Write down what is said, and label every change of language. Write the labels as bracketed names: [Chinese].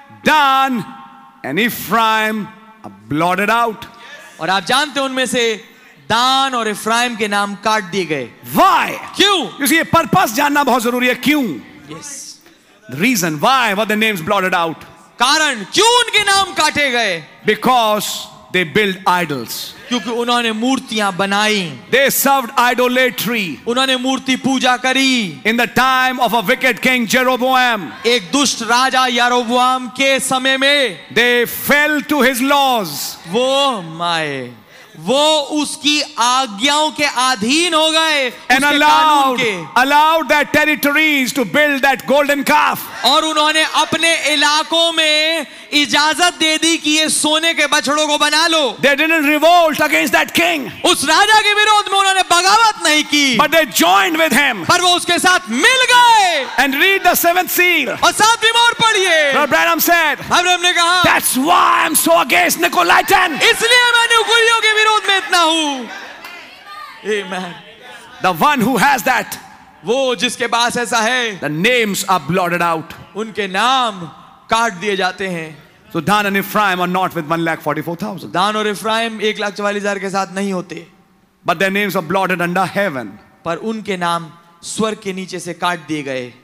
[English] done and Ephraim are blotted out. [Hindi] और आप जानते हैं उनमें से दान और इफ्राइम के नाम काट दिए गए. [English] Why? [Hindi] क्यों? क्योंकि ये पर्पस जानना बहुत जरूरी है. क्यों? [English] Yes. The reason why were the names blotted out? [Hindi] कारण क्यों उनके नाम काटे गए? [English] Because they built idols. [Hindi] क्योंकि उन्होंने मूर्तियां बनाई. [English] They served idolatry. [Hindi] उन्होंने मूर्ति पूजा करी. [English] In the time of a wicked king Jeroboam. [Hindi] एक दुष्ट राजा यारोबोआम के समय में. [English] They fell to his laws. [Hindi] वो माए वो उसकी आज्ञाओं के अधीन हो गए. [English] And allowed their territories to build that golden calf. [Hindi] और उन्होंने अपने इलाकों में इजाजत दे दी कि ये सोने के बछड़ों को बना लो. [English] They didn't revolt against that king. [Hindi] उस राजा के विरोध में उन्होंने बगावत नहीं की. [English] But they joined with him. [Hindi] पर वो उसके साथ मिल गए. [English] And read the seventh seal. [Hindi] और सातवीं मोहर पढ़िए. [English] Brother Branham said. [Hindi] Abraham ने कहा. [English] That's why I'm so against Nicolaitan. [Hindi] इसलिए मैं निकुलियों के विरोध में इतना हूँ. [English] Amen. The one who has that. [Hindi] वो जिसके पास ऐसा है. [English] The names are blotted out. [Hindi] उनके नाम काट दिए जाते हैं. [English] So Dan and Ephraim are not with 144,000. [Hindi] Dan और Ephraim 144,000 के साथ नहीं होते. [English] But their names are blotted under heaven. [Hindi] पर उनके नाम स्वर्ग के नीचे से काट दिए गए.